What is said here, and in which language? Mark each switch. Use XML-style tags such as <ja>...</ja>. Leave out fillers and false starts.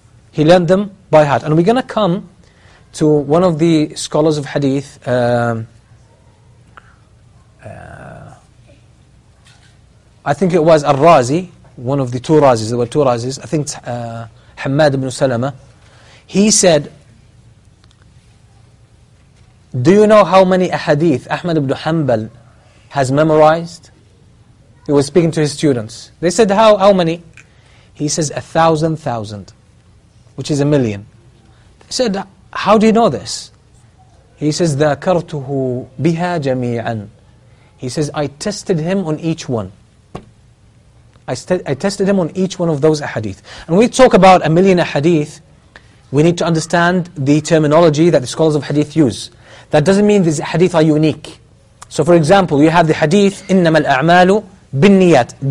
<en>He learned them by heart. And we're going to come to one of the scholars of hadith, I think it was Al-Razi, one of the two Razis, there were two Razis, I think Hamad ibn Salama, he said, do you know how many ahadith Ahmad ibn Hanbal has memorized? He was speaking to his students. They said, how many? He says, 1,000,000, which is 1,000,000. They said, how do you know this? He says,</en> <ar>ذَكَرْتُهُ بِهَا جَمِيعًا.</ar> <en>He says, I tested him on each one. I tested him on each one of those ahadith. And when we talk about 1,000,000 ahadith, we need to understand the terminology that the scholars of hadith use. That doesn't mean these hadith are unique. So for example, you have the hadith,</en> <ar>إِنَّمَا الْأَعْمَالُ بِالنِّيَّةِ.</ar>